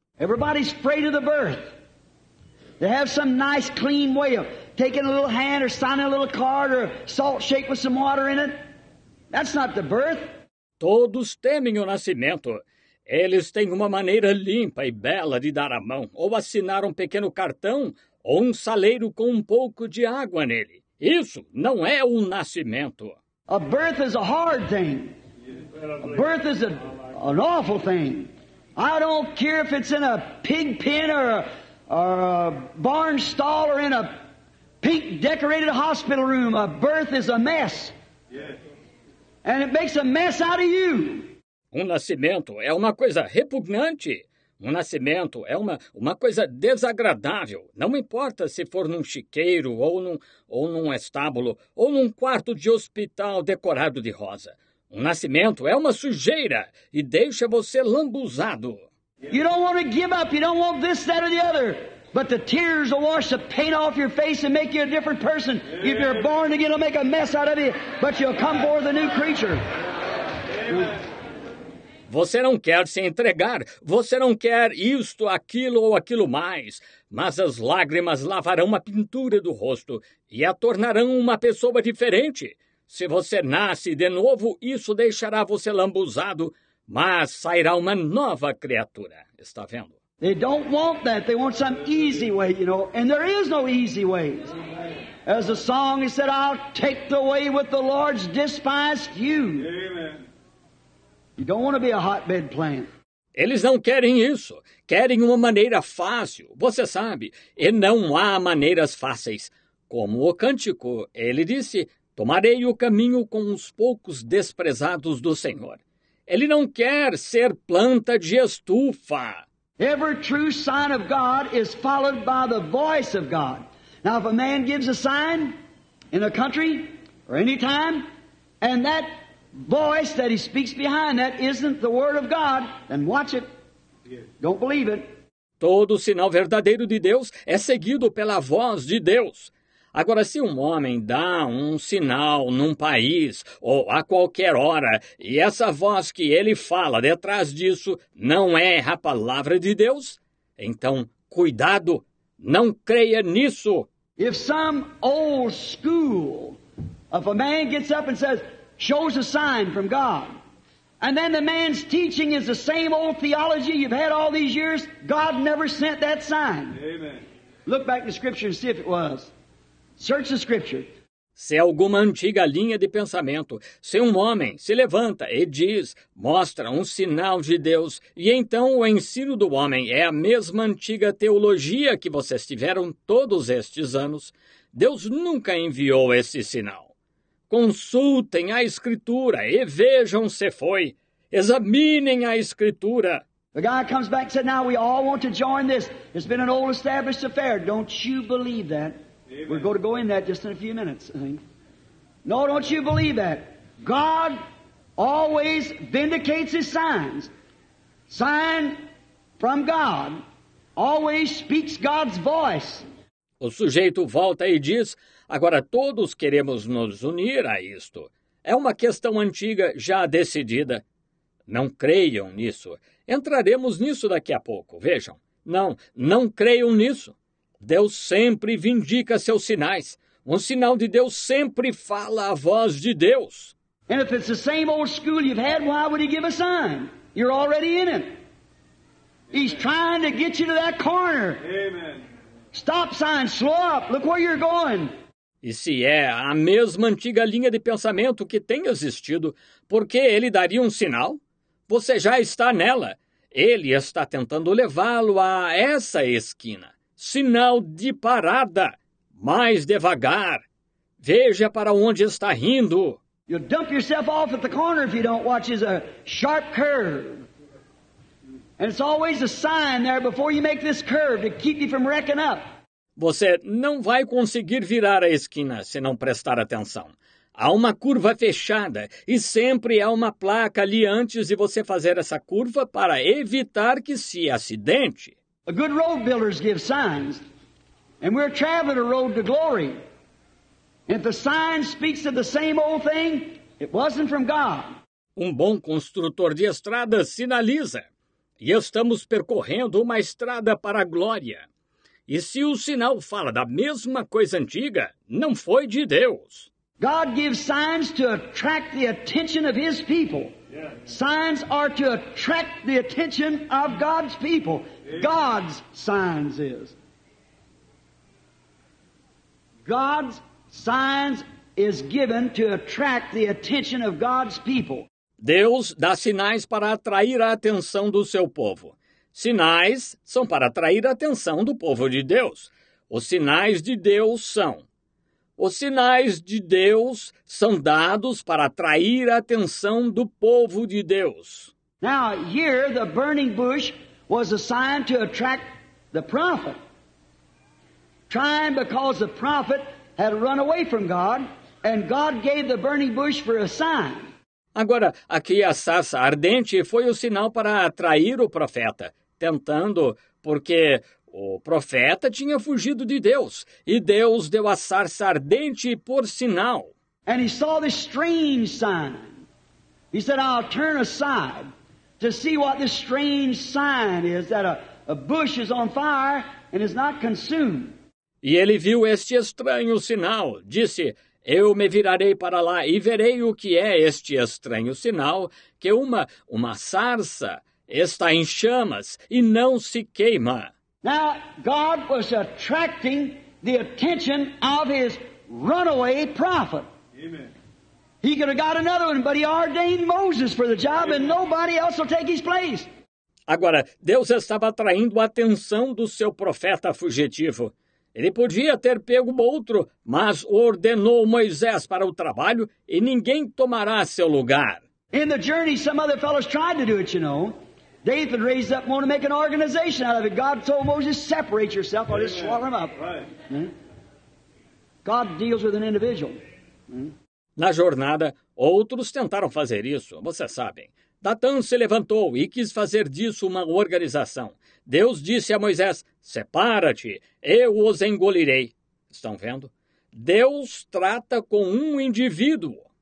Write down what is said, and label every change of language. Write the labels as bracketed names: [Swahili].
[English] Everybody's afraid of the birth. They have some nice clean way of taking a little hand or signing a little card or salt shake with some water in it. That's not the birth. [Portuguese] Todos temem o nascimento. Eles têm uma maneira limpa e bela de dar a mão, ou assinar um pequeno cartão, ou um saleiro com um pouco de água nele. Isso não é o nascimento. [English] A birth is a hard thing. A birth is an awful thing. I don't care if it's in a pig pen or a barn stall or in a pink decorated hospital room. A birth is a mess. And it makes a mess out of you. [Portuguese] Um nascimento é uma coisa repugnante. Um nascimento é uma coisa desagradável. Não importa se for num chiqueiro ou num estábulo ou num quarto de hospital decorado de rosa. Um nascimento é uma sujeira e deixa você lambuzado. [English] You don't want to give up. You don't want this, that, or the other. But the tears will wash the paint off your face and make you a different person. If you're born again, it'll make a mess out of you, but you'll come forth a new creature. Amen. [Portuguese] Você não quer se entregar, você não quer isto, aquilo ou aquilo mais, mas as lágrimas lavarão a pintura do rosto e a tornarão uma pessoa diferente. Se você nasce de novo, isso deixará você lambuzado, mas sairá uma nova criatura. Está vendo? [English] They don't want that. They want some easy way, you know. And there is no easy way. As the song is said, I'll take the way with the Lord's despised you. Amen. You don't want to be a hotbed plant. [Portuguese] Eles não querem isso. Querem uma maneira fácil. Você sabe, e não há maneiras fáceis. Como o cântico, ele disse, tomarei o caminho com os poucos desprezados do Senhor. Ele não quer ser planta de estufa. [English] Every true sign of God is followed by the voice of God. Now, if a man gives a sign in a country or any time, and that voice that he speaks behind that isn't the word of God, then watch it. Don't believe it. [Portuguese] Todo sinal verdadeiro de Deus é seguido pela voz de Deus. Agora, se um homem dá um sinal num país ou a qualquer hora e essa voz que ele fala detrás disso não é a palavra de Deus, então, cuidado, não creia nisso. [English] If some old school, if a man gets up and says, shows a sign from God, and then the man's teaching is the same old theology you've had all these years, God never sent that sign. Amen. Look back in the scripture and see if it was. Search the scripture. [Portuguese] Se alguma antiga linha de pensamento, se um homem se levanta e diz, mostra um sinal de Deus, e então o ensino do homem é a mesma antiga teologia que vocês tiveram todos estes anos, Deus nunca enviou esse sinal. Consultem a Escritura e vejam se foi. Examinem a Escritura. [English] The guy comes back and says, now we all want to join this. It's been an old established affair. Don't you believe that? We're going to go in that just in a few minutes, I think. No, don't you believe that? God always vindicates his signs. Sign from God always speaks God's voice. [Portuguese] O sujeito volta e diz, agora todos queremos nos unir a isto. É uma questão antiga já decidida. Não creiam nisso. Entraremos nisso daqui a pouco, vejam. Não, não creiam nisso. Deus sempre vindica seus sinais. Um sinal de Deus sempre fala a voz de Deus. [English] And if it's the same old school you've had, why would he give a sign? You're already in it. He's trying to get you to that corner. Amen. Stop sign, slow up, look where you're going. [Portuguese] E se é a mesma antiga linha de pensamento que tem existido, por que ele daria um sinal? Você já está nela. Ele está tentando levá-lo a essa esquina. Sinal de parada, mais devagar. Veja para onde está indo. [English] You'll dump yourself off at the corner if you don't watch. It's a sharp curve. And it's always a sign there before you make this curve to keep you from wrecking up. [Portuguese] Você não vai conseguir virar a esquina se não prestar atenção. Há uma curva fechada e sempre há uma placa ali antes de você fazer essa curva para evitar que se acidente. [English] A good road builders give signs, and we're traveling a road to glory. And if the sign speaks of the same old thing, it wasn't from God. [Portuguese] Um bom construtor de estrada sinaliza, e estamos percorrendo uma estrada para a glória. E se o sinal fala da mesma coisa antiga, não foi de Deus. [English] God gives signs to attract the attention of his people. Signs are to attract the attention of God's people. God's signs is. God's signs is given to attract the attention of God's people. [Portuguese] Deus dá sinais para atrair a atenção do seu povo. Sinais são para atrair a atenção do povo de Deus. Os sinais de Deus são. Os sinais de Deus são dados para atrair a atenção do povo de Deus. [English] Now, here, the burning bush was a sign to attract the prophet. Trying because the prophet had run away from God, and God gave the burning bush for a sign. [Portuguese] Agora, aqui a sarça ardente foi o sinal para atrair o profeta, tentando, porque o profeta tinha fugido de Deus, e Deus deu a sarça ardente por sinal. [English] And he saw this strange sign. He said, I'll turn aside. to see what this strange sign is, that a bush is on fire and is not consumed. [Portuguese] E ele viu este estranho sinal, disse, eu me virarei para lá e verei o que é este estranho sinal, que uma sarça está em chamas e não se queima. [English] Now, God was attracting the attention of his runaway prophet. Amen. He could have got another one, but he ordained Moses for the job, and nobody else will take his place. [Portuguese] Agora, Deus estava atraindo a atenção do seu profeta fugitivo. Ele podia ter pego outro, mas ordenou Moisés para o trabalho e ninguém tomará seu lugar. [English] In the journey, some other fellows tried to do it, you know. David raised up one to make an organization out of it. God told Moses, separate yourself or just swallow him up. God deals with an individual. [Portuguese] Na jornada, outros tentaram fazer isso, vocês sabem. Datan se levantou e quis fazer disso uma organização. Deus disse a Moisés, separa-te, eu os engolirei. Estão vendo? Deus trata com um indivíduo.